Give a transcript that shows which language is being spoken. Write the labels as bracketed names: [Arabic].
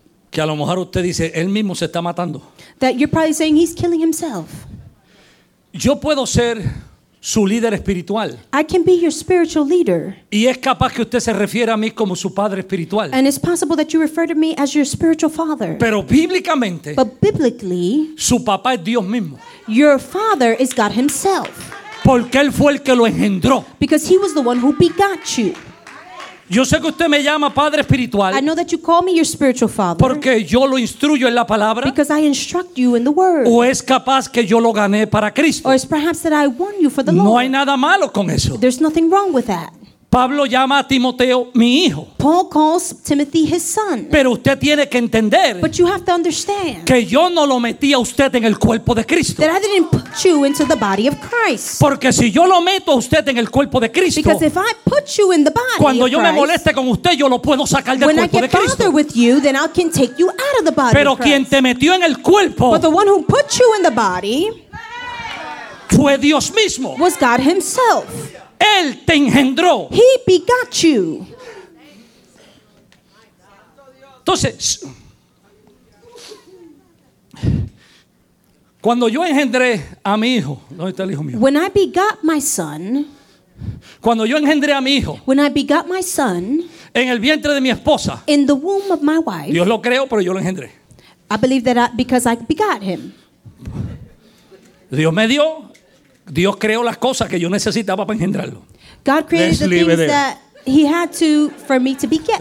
[Spanish] Que a lo mejor usted dice, él mismo se está matando. [English] That you're probably saying he's killing himself. [Spanish] Yo puedo ser su líder espiritual. [English] I can be your spiritual leader. [Spanish] Y es capaz que usted se refiera a mí como su padre espiritual. [English] And it's possible that you refer to me as your spiritual father. [Spanish] Pero bíblicamente, [English] but biblically, [Spanish] su papá es Dios mismo. [English] Your father is God himself. [Spanish] Porque él fue el que lo engendró. [English] Because he was the one who begot you. [Spanish] Yo sé que usted me llama padre espiritual. [English] I know that you call me your spiritual father. [Spanish] Porque yo lo instruyo en la palabra. [English] Because I instruct you in the word. [Spanish] O es capaz que yo lo gané para Cristo. [English] Or it's perhaps that I won you for the Lord. [Spanish] No hay nada malo con eso. [English] There's nothing wrong with that. [Spanish] Pablo llama a Timoteo mi hijo. [English] Paul calls Timothy his son. [Spanish] Pero usted tiene que entender. [English] But you have to understand. [Spanish] Que yo no lo metí a usted en el cuerpo de Cristo. [English] That I didn't put you into the body of Christ. [Spanish] Porque si yo lo meto a usted en el cuerpo de Cristo. [English] Because if I put you in the body of Christ. [Spanish] Cuando yo me moleste con usted, yo lo puedo sacar del cuerpo de Cristo. [English] When I get bothered with you, then I can take you out of the body. [Spanish] Pero quien te metió en el cuerpo. [English] But the one who put you in the body. [Spanish] Fue Dios mismo. [English] Was God himself. [Spanish] Él te engendró. [English] He begot you. [Spanish] Entonces, cuando yo engendré a mi hijo, ¿dónde está el hijo mío? [English] When I begot my son. [Spanish] Cuando yo engendré a mi hijo. [English] When I begot my son. [Spanish] En el vientre de mi esposa. [English] In the womb of my wife. [Spanish] Dios lo creó, pero yo lo engendré. [English] I believe that because I begot him. [Spanish] Dios me dio. Dios creó las cosas que yo necesitaba para engendrarlo. [English] God created the things that he had to for me to beget.